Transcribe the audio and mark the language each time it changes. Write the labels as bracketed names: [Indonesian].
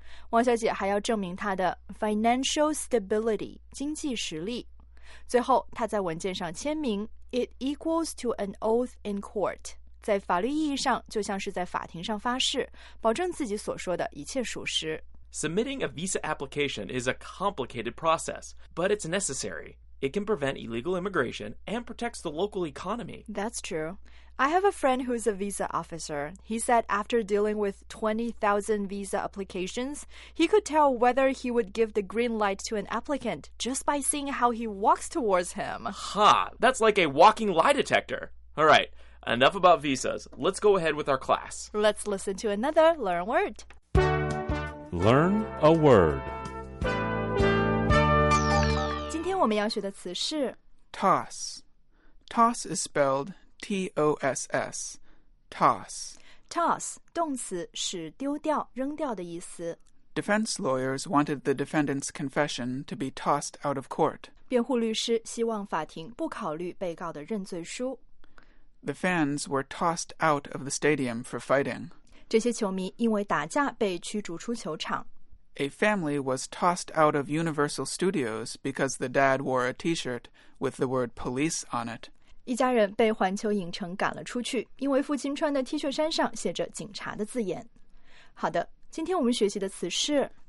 [Chinese] 王小姐还要证明她的 [English] financial stability, [Chinese] 经济实力。最后她在文件上签名 [English] It equals to an oath in court. [Chinese] 在法律意义上就像是在法庭上发誓，保证自己所说的一切属实。 [English] Submitting a visa application is a complicated process, but it's necessary. It can prevent illegal immigration and protects the local economy. That's true. I have a friend who's a visa officer. He said after dealing with 20,000 visa applications, he could tell whether he would give the green light to an applicant just by seeing how he walks towards him. Ha! That's like a walking lie detector. All right, enough about visas. Let's go ahead with our class. Let's listen to another Learn Word. Learn a Word. [Chinese] 今天我们要学的词是 [English] Toss. Toss is spelled T-O-S-S, toss. [Chinese] Toss, 动词是丢掉、扔掉的意思。 [English] Defense lawyers wanted the defendant's confession to be tossed out of court. [Chinese] 辩护律师希望法庭不考虑被告的认罪书。 [English] The fans were tossed out of the stadium for fighting. [Chinese] 这些球迷因为打架被驱逐出球场。 [English] A family was tossed out of Universal Studios because the dad wore a T-shirt with the word police on it. [Chinese] 一家人被环球影城赶了出去，因为父亲穿的 T 恤衫上写着警察的字眼。好的，今天我们学习的词是